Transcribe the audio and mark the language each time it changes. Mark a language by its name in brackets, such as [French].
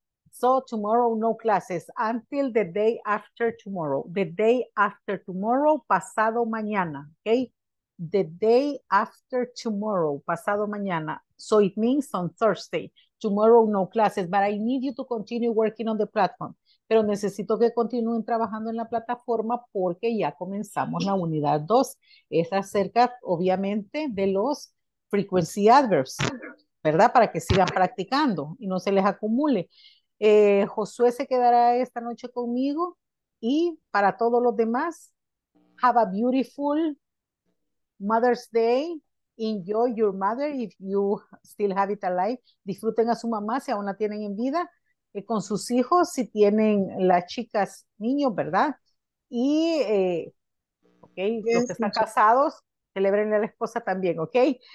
[English] So, tomorrow, no classes until the day after tomorrow. The day after tomorrow, [Spanish] pasado mañana, [English] ¿ok? The day after tomorrow, [Spanish] pasado mañana. [English] So it means on Thursday. Tomorrow no classes, but I need you to continue working on the platform. [Spanish] Pero necesito que continúen trabajando en la plataforma porque ya comenzamos la unidad 2. Es acerca, obviamente, de los frequency adverbs, ¿verdad? Para que sigan practicando y no se les acumule. Josué se quedará esta noche conmigo y para todos los demás, [English] have a beautiful Mother's Day. Enjoy your mother if you still have it alive. [Spanish] Disfruten a su mamá si aún la tienen en vida. Con sus hijos, si tienen las chicas, niños, ¿verdad? Y, ok, yes, los que teacher. Están casados, celebren a la esposa también, ¿ok?